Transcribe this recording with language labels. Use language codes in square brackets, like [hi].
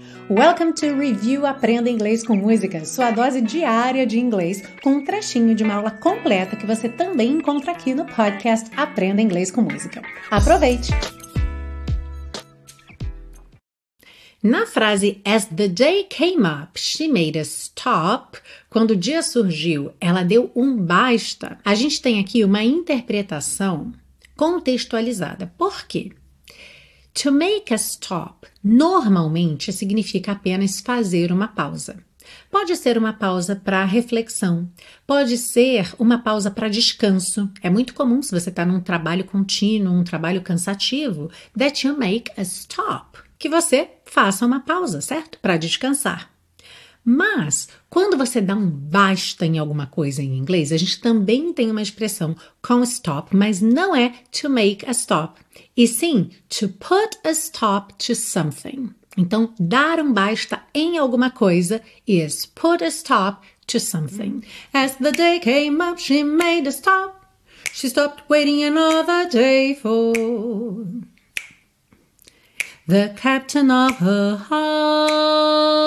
[en] Welcome to Review [pt] Aprenda Inglês com Música, sua dose diária de inglês, com um trechinho de uma aula completa que você também encontra aqui no podcast Aprenda Inglês com Música. Aproveite! Na frase [en] As the day came up, she made a stop. [pt] Quando o dia surgiu, ela deu um basta. A gente tem aqui uma interpretação contextualizada. Por quê? [en] To make a stop [pt] normalmente significa apenas fazer uma pausa. Pode ser uma pausa para reflexão, pode ser uma pausa para descanso. É muito comum se você está num trabalho contínuo, um trabalho cansativo, [en] that you make a stop, [pt] que você faça uma pausa, certo? Para descansar. Mas, quando você dá um basta em alguma coisa em inglês, a gente também tem uma expressão com stop, mas não é [en] to make a stop, [pt] e sim [en] to put a stop to something. [pt] Então, dar um basta em alguma coisa [en] is put a stop to something. As the day came up, she made a stop. She stopped waiting another day for the captain of her heart.